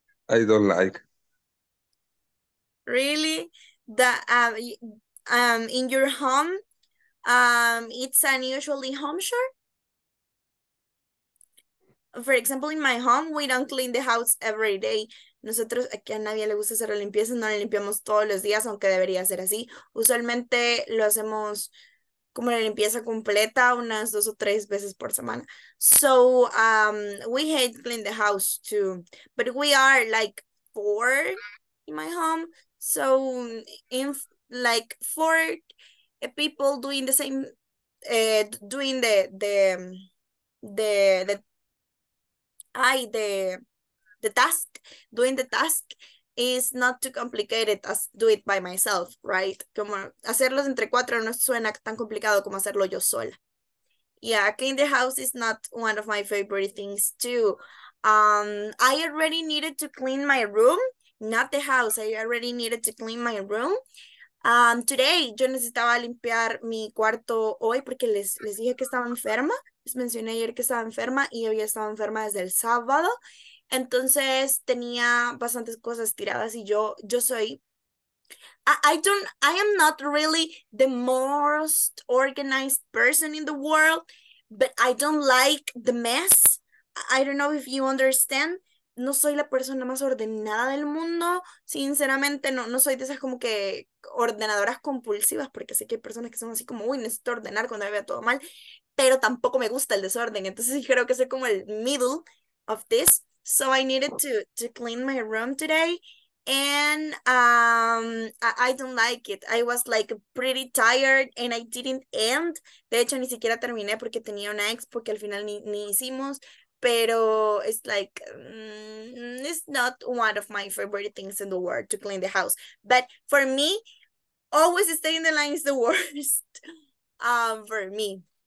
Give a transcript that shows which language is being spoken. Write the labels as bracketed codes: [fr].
[en] I don't like. Really? In your home, it's an usually home chore? For example, in my home, we don't clean the house every day. [es] Nosotros, aquí a nadie le gusta hacer la limpieza, no la limpiamos todos los días, aunque debería ser así. Usualmente lo hacemos como la limpieza completa, unas dos o tres veces por semana. [en] So, we hate clean the house too. But we are like four in my home. So, in like four people doing the same, doing the task is not too complicated as do it by myself, right? [es] Como hacerlos entre cuatro no suena tan complicado como hacerlo yo sola. [en] Yeah, clean the house is not one of my favorite things too. I already needed to clean my room, not the house. I already needed to clean my room. [es] Today, yo necesitaba limpiar mi cuarto hoy porque les dije que estaba enferma. Les mencioné ayer que estaba enferma y había estado enferma desde el sábado. Entonces, tenía bastantes cosas tiradas y yo soy... [en] I am not really the most organized person in the world, but I don't like the mess. I don't know if you understand. [es] No soy la persona más ordenada del mundo. Sinceramente, no soy de esas como que ordenadoras compulsivas, porque sé que hay personas que son así como, uy, necesito ordenar cuando vea todo mal, pero tampoco me gusta el desorden. Entonces, creo que soy como el middle of this. [en] So I needed to clean my room today, and I don't like it. I was like pretty tired, and I didn't end. [es] De hecho, ni siquiera terminé porque tenía una expo que al final ni hicimos. [en] Pero it's like, it's not one of my favorite things in the world to clean the house. But for me, always staying in the line is the worst for me.